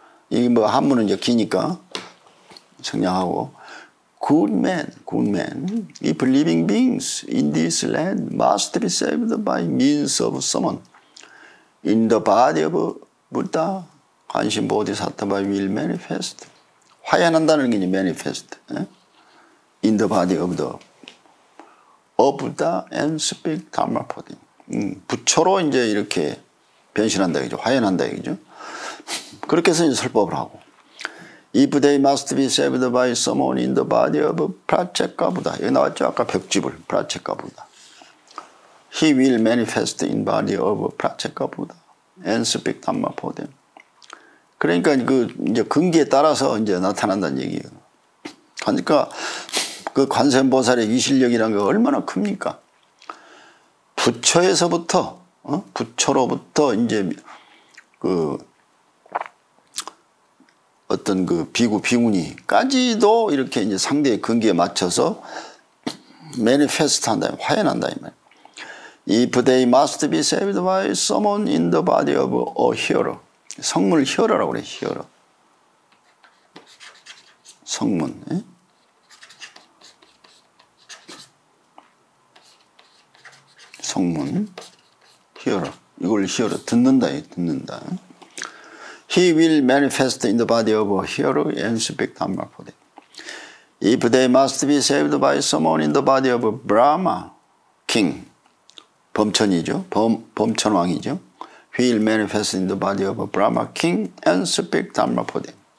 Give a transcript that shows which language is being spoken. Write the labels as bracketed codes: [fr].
[ko] 이게 뭐 한문은 이제 기니까 생략하고, [en] good men, if living beings in this land must be saved by means of someone in the body of Buddha, 관심 보디사타바 will manifest. [ko] 화현한다는 게 이제 [en] manifest. [ko] 예? [en] In the body of Buddha and speak Dharma Podi. [ko] 부처로 이제 이렇게 변신한다 얘기죠. 화현한다 얘기죠. 그렇게 해서 이제 설법을 하고. [en] If they must be saved by someone in the body of Pratyekka Buddha. [ko] 여기 나왔죠. 아까 벽지불. [en] Pratyekka Buddha. He will manifest in body of Pratyekka Buddha and speak Dharma Podi. [ko] 그러니까 그 이제 근기에 따라서 이제 나타난다는 얘기예요. 그러니까 그 관세음보살의 이실력이란 게 얼마나 큽니까? 부처에서부터, 부처로부터 이제 그 어떤 그 비구 비구니까지도 이렇게 이제 상대의 근기에 맞춰서 매니페스트한다, 화현한다 이 말. [en] If they must be saved by someone in the body of a hero, [ko] 성문을 히어로라고 그래, 히어로. 성문. 예? 성문, 히어로, 이걸 히어로, 듣는다, 듣는다. [en] He will manifest in the body of a hero and speak Dharma for them. If they must be saved by someone in the body of a Brahma king, [ko] 범천이죠, 범천왕이죠. [en] He will manifest in the body of a Brahma king and speak Dharma for them.